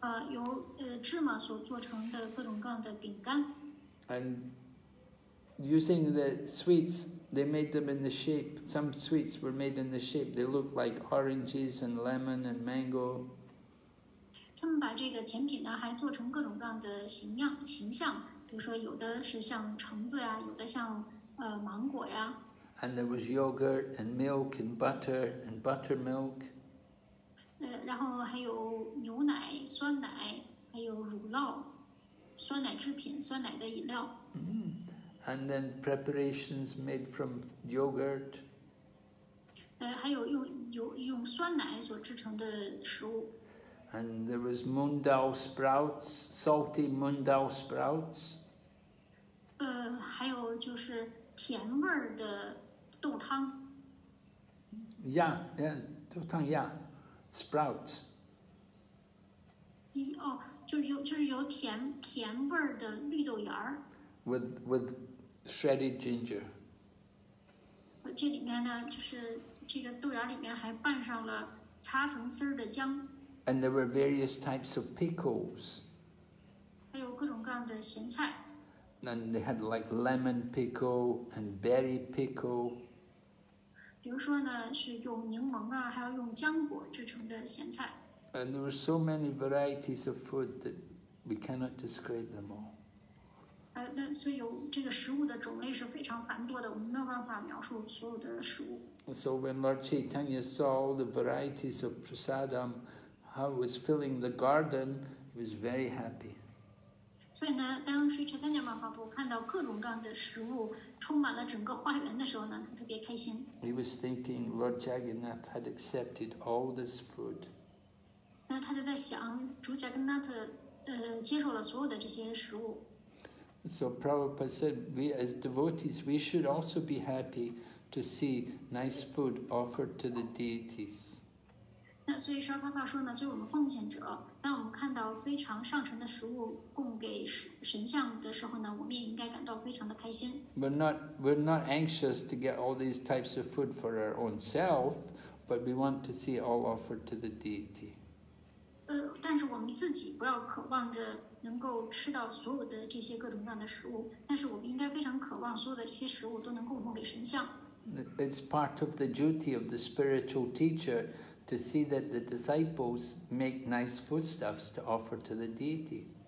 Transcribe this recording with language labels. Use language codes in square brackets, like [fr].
[zh] 由芝麻所做成的各种各样的饼干。 [en] And using the sweets, they made them in the shape. Some sweets were made in the shape. They looked like oranges and lemon and mango. [zh] 他们把这个甜品呢，还做成各种各样的形象，比如说有的是像橙子呀，有的像芒果呀。 [en] And there was yogurt and milk and butter and buttermilk. [zh] 然后还有牛奶、酸奶，还有乳酪，酸奶制品，酸奶的饮料。 [en] And then preparations made from yogurt. [zh] 还有用酸奶所制成的食物。 [en] And there was mundal sprouts, salty mundal sprouts. [zh] 还有就是甜味儿的豆汤。 [en] Yeah, yeah, [zh] 豆汤 [en] yeah, sprouts. [zh] 哦，就是有甜味儿的绿豆芽儿。 [en] With shredded ginger. [zh] 这里面呢，就是这个豆芽里面还拌上了擦成丝儿的姜。 [en] And there were various types of pickles. [zh] 还有各种各样的咸菜。 [en] And they had like lemon pickle and berry pickle. [zh] 比如说呢，是用柠檬啊，还有用浆果制成的咸菜。 [en] And there were so many varieties of food that we cannot describe them all. [zh] 那所以有这个食物的种类是非常繁多的，我们没有办法描述所有的食物。 [en] So when Lord Chaitanya saw all the varieties of prasadam, how it was filling the garden, he was very happy. [zh] 所以呢，当时查丹尼马哈布看到各种各样的食物充满了整个花园的时候呢，他特别开心。 [en] He was thinking Lord Jagannath had accepted all this food. [zh] 那他就在想，主贾格纳特接受了所有的这些食物。 [en] So Prabhupada said, we as devotees, we should also be happy to see nice food offered to the deities. [zh] 那所以沙巴巴说呢，作为我们奉献者。当我们看到非常上乘的食物供给神像的时候呢，我们也应该感到非常的开心。 [en] We're not anxious to get all these types of food for our own self, but we want to see all offered to the deity. [zh] 但是我们自己不要渴望着能够吃到所有的这些各种各样的食物，但是我们应该非常渴望所有的这些食物都能供奉给神像。 [en] It's part of the duty of the spiritual teacher. To see that the disciples make nice foodstuffs to offer to the deity.